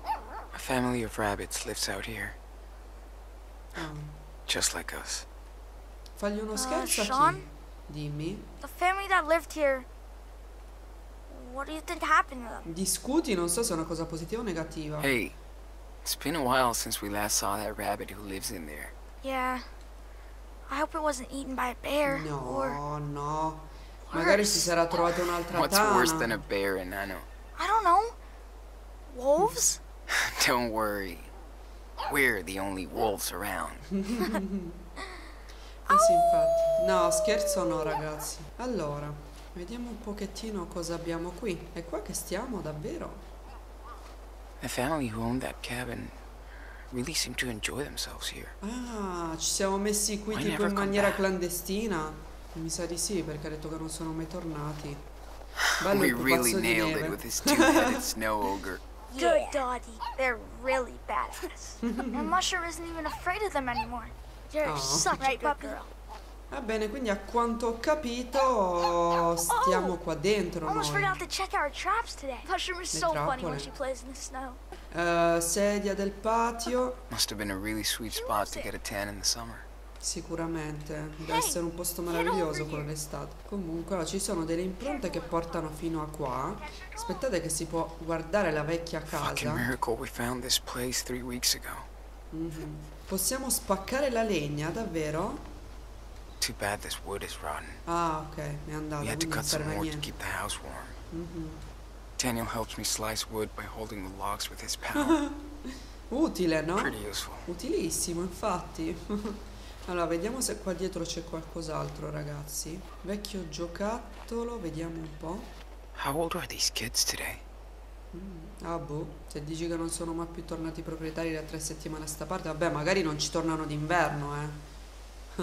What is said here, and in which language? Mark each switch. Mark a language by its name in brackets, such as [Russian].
[English] A family of rabbits lives out here. Just like us. [Italian] Fagli uno scherzo, Sean? A chi? Dimmi. [English] The family that lived here. What do you think happened to them? [Italian] Discuti, non so se è una cosa positiva o negativa. [English] Hey, it's been a while since we last saw that rabbit who lives in there. Yeah. I hope it wasn't eaten by a bear. [Italian] No, [English] or... [Italian] no. Magari si sarà trovato un'altra [English] What's [Italian] tana. [English] What's worse than a bear in Nano? I don't know. Wolves? Don't worry. We're the only wolves around. [Italian] Sì, infatti. No, scherzo no, ragazzi. Allora, vediamo un pochettino cosa abbiamo qui. È qua che stiamo, davvero? [English] The family who owned that cabin really seemed to enjoy themselves here. [Italian] Ah, ci siamo messi qui tipo in maniera clandestina. Mi sa di sì, perché ha detto che non sono mai tornati. [English] Bello, we really nailed it with this two-headed snow ogre. Good doggy, they're really badass. And Musher isn't even afraid of them anymore. [Italian] Va bene, quindi a quanto ho capito stiamo qua dentro noi. [English] Almost forgot to check our traps today. Mushroom is so funny when she plays in the snow. [Italian] Sedia del patio. [English] Must have been a really sweet spot to get a tan in the summer. [Italian] Sicuramente, deve essere un posto meraviglioso con l'estate. Comunque, allora, ci sono delle impronte che portano fino a qua. Aspettate che si può guardare la vecchia casa. [English] Fucking miracle we found this place 3 weeks ago. [Italian] Possiamo spaccare la legna, davvero? [English] Too bad this wood is rotten. [Italian] Ah, ok, mi è andato. [English] We had to cut some more to keep the house warm. Daniel helps me slice wood by holding the logs with his power. [Italian] Utile, no? [English] Pretty useful. [Italian] Utilissimo, infatti. Allora, vediamo se qua dietro c'è qualcos'altro, ragazzi. Vecchio giocattolo, vediamo un po'. [English] How old are these kids today? [Italian] Ah, boh. Se dici che non sono mai più tornati i proprietari da 3 settimane a sta parte, vabbè, magari non ci tornano d'inverno, eh.